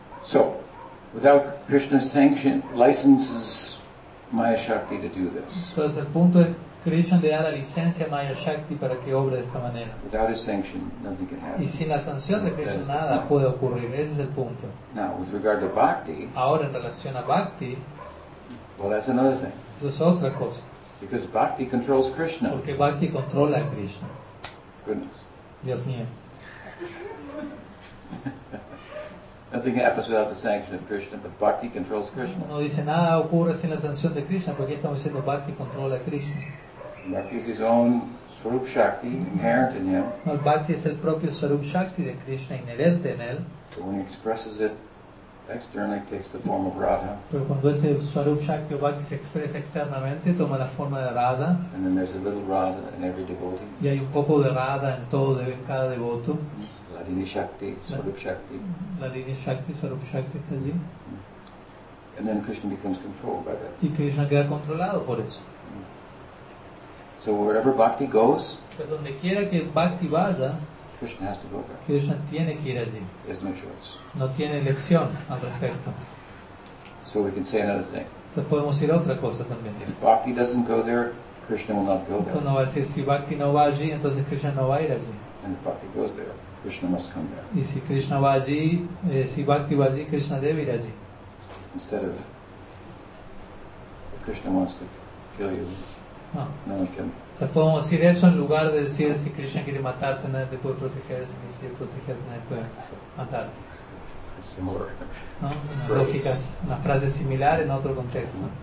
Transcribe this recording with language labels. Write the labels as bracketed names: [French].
[English] So, without Krishna's sanction, licenses Maya Shakti to do this. [Spanish] Entonces el punto es Krishna le da la licencia a Maya Shakti para que obre de esta manera. [English] Without his sanction, nothing can happen. [Spanish] Y sin la sanción de Krishna, nada puede ocurrir. Ese es el punto. [English] Now, with regard to bhakti, [Spanish] ahora, en relación a bhakti, [English] well, that's another thing. [Spanish] Eso es otra cosa. [English] Because bhakti controls Krishna. [Spanish] Porque bhakti controla a Krishna. [English] Goodness. [Spanish] Dios mío. [English] Nothing happens without the sanction of Krishna, but bhakti controls Krishna. [Spanish] No dice nada ocurre sin la sanción de Krishna, porque estamos diciendo bhakti controla a Krishna. [English] Bhakti is his own Swarup Shakti, inherent in him. [Spanish] No, bhakti es el propio Swarup Shakti de Krishna, inherente en él. [English] But when he expresses it externally, takes the form of Radha. [Spanish] Pero cuando ese Swarup Shakti o bhakti se expresa externamente, toma la forma de Radha. [English] And then there's a little Radha in every devotee. [Spanish] Y hay un poco de Radha en todo, en cada devoto. [English] Ladini Shakti, Swarup Shakti. [Spanish] Ladini Shakti, Swarup Shakti está allí. [English] And then Krishna becomes controlled by that. [Spanish] Y Krishna queda controlado por eso. [English] So wherever bhakti goes, [Spanish] pues donde quiera que bhakti vaya, [English] Krishna has to go there. [Spanish] Krishna tiene que ir allí. [English] There's no choice. [Spanish] No tiene elección al respecto. [English] So we can say another thing. [Spanish] Entonces podemos decir otra cosa también. [English] If bhakti doesn't go there, Krishna will not go there. [Spanish] Entonces no va a decir, si bhakti no va allí, entonces Krishna no va a ir allí. [English] And if bhakti goes there, Krishna must come there. [Spanish] Y si Krishna va allí, si bhakti va allí, Krishna debe ir allí. [English] Instead of, if Krishna wants to kill you. [Spanish] No. [English] No, can. [Spanish] Entonces podemos decir eso en lugar de decir si Krishna quiere matarte, nadie te puede proteger, si Krishna quiere protegerte, nadie puede matarte. [English] Similar. [Spanish] ¿No? Una lógica, una frase similar en otro contexto.